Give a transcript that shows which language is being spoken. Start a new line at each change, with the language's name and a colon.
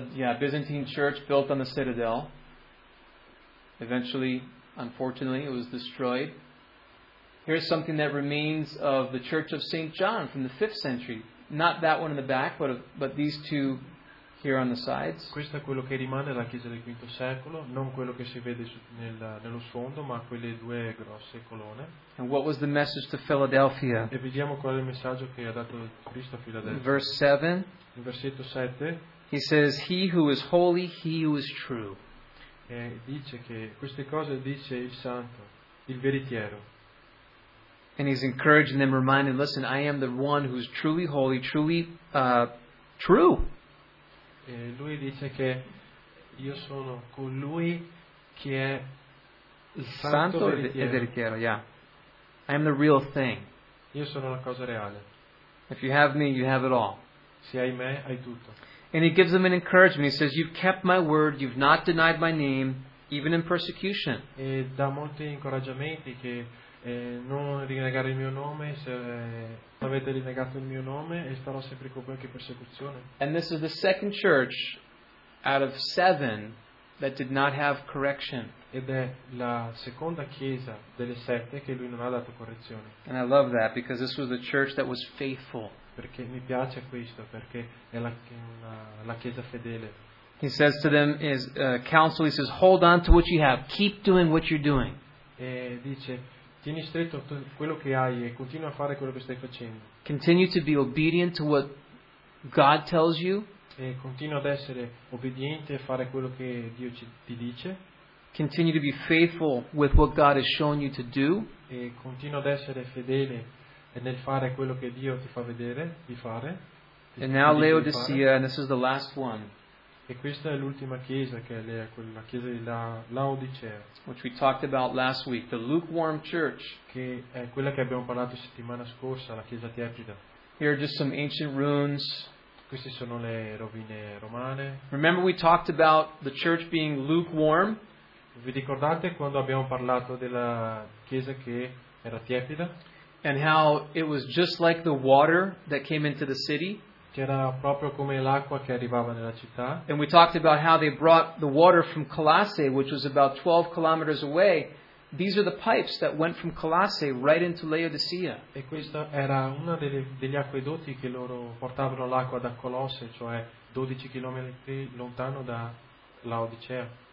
English: Yeah, Byzantine church built on the citadel. Eventually, unfortunately, it was destroyed. Here's something that remains of the church of St. John from the 5th century. Not that one in the back, but these two here on the sides.
Italian: Questo è quello che rimane della chiesa del V secolo, non quello che si vede nello sfondo, ma quelle due grosse colonne.
English: And what was the message to Philadelphia?
Italian: E vediamo qual è il messaggio che ha dato Cristo a Filadelfia.
English: Verse 7.
Italian: In versetto 7.
English: He says, "He who is holy, he who is true."
Italian: E dice che queste cose dice il santo, il veritiero.
English: And he's encouraging them, reminding, "Listen, I am the one who's truly holy, truly true."
Italian: E lui dice che io sono colui che è il santo e veritiero.
English: Yeah, I am the real thing.
Italian: Io sono la cosa reale.
English: If you have me, you have it all.
Italian: Se hai me, hai tutto.
English: And he gives them an encouragement. He says, "You've kept my word. You've not denied my name, even in persecution."
Italian: E dà molti incoraggiamenti che non rinnegare il mio nome, se avete rinnegato il mio nome e starò sempre con voi anche in persecuzione.
English: And this is the second church out of seven that did not have correction.
Italian: Ed è la seconda chiesa delle sette che lui non ha dato correzione.
English: And I love that because this was the church that was faithful.
Italian: Perché mi piace questo, perché è la chiesa fedele.
English: He says to them, his counsel, he says, "Hold on to what you have. Keep doing what you're doing."
Italian: dice: tieni stretto quello che hai e continua a fare quello che stai facendo.
English: Continue to be obedient to what God tells you.
Italian: E continua ad essere obbediente a fare quello che Dio ti dice.
English: Continue to be faithful with what God has shown you to do.
Italian: E continua ad essere fedele nel fare quello che Dio ti fa vedere di fare.
English: And now Laodicea, and this is the last one.
Italian: E questa è l'ultima chiesa che è la chiesa di Laodicea,
English: which we talked about last week, the lukewarm church.
Italian: Che è quella che abbiamo parlato settimana scorsa, la chiesa tiepida.
English: Here are just some ancient ruins.
Italian: Queste sono le rovine romane.
English: Remember we talked about the church being lukewarm?
Italian: Vi ricordate quando abbiamo parlato della chiesa che era tiepida?
English: And how it was just like the water that came into the city.
Italian: Che era proprio come l'acqua che arrivava nella città.
English: And we talked about how they brought the water from Colossae, which was about 12 kilometers away. These are the pipes that went from Colossae right into Laodicea.
Italian: E questa era una degli acquedotti che loro portavano l'acqua da Colosse, cioè 12 chilometri lontano da Laodicea.